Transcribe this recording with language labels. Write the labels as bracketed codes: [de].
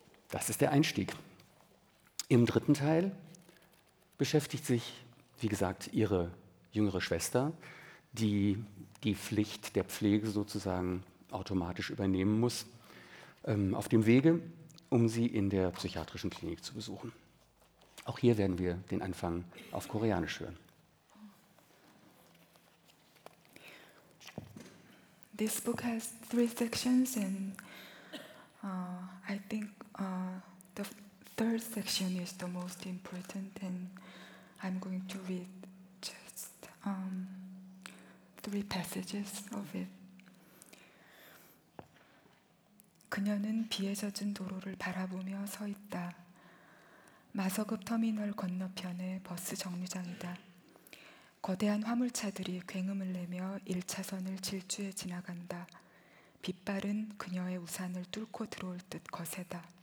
[de] Das ist der Einstieg. Im dritten Teil beschäftigt sich, wie gesagt, ihre jüngere Schwester, die die Pflicht der Pflege sozusagen automatisch übernehmen muss, auf dem Wege, um sie in der psychiatrischen Klinik zu besuchen. Auch hier werden wir den Anfang auf Koreanisch hören. [en] This book has three sections and I think the third section is the most important and I'm going to read just three passages of it. [ko] 그녀는 비에 젖은 도로를 바라보며 서 있다. 마서급 터미널 건너편의 버스 정류장이다. 거대한 화물차들이 굉음을 내며 1차선을 질주해 지나간다. 빗발은 그녀의 우산을 뚫고 들어올 듯 거세다.